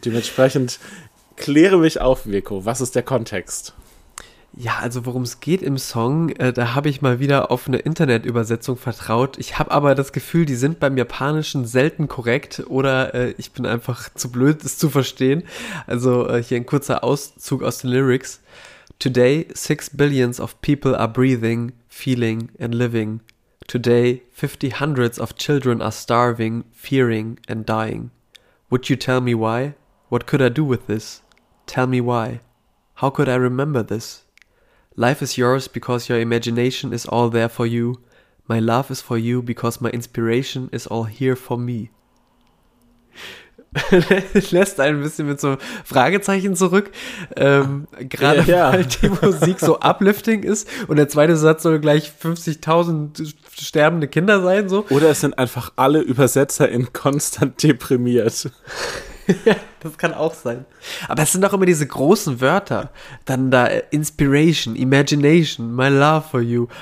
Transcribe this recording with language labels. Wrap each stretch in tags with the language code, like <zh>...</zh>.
<de>Dementsprechend kläre mich auf, Mirko. Was ist der Kontext? Ja, also worum es geht im Song, da habe ich mal wieder auf eine Internetübersetzung vertraut. Ich habe aber das Gefühl, die sind beim Japanischen selten korrekt oder ich bin einfach zu blöd, es zu verstehen. Also hier ein kurzer Auszug aus den Lyrics.</de> <en>Today, 6 billions of people are breathing, feeling and living. Today, 50 hundreds of children are starving, fearing and dying. Would you tell me why? What could I do with this? Tell me why. How could I remember this? Life is yours because your imagination is all there for you. My love is for you because my inspiration is all here for me.</en> <de>Lässt einen ein bisschen mit so Fragezeichen zurück. Gerade ja, weil die Musik so uplifting ist und der zweite Satz soll gleich 50.000 sterbende Kinder sein. So. Oder es sind einfach alle ÜbersetzerInnen konstant deprimiert. Ja, das kann auch sein. Aber es sind auch immer diese großen Wörter. Dann da Inspiration, Imagination,</de> <en>my love for you.</en>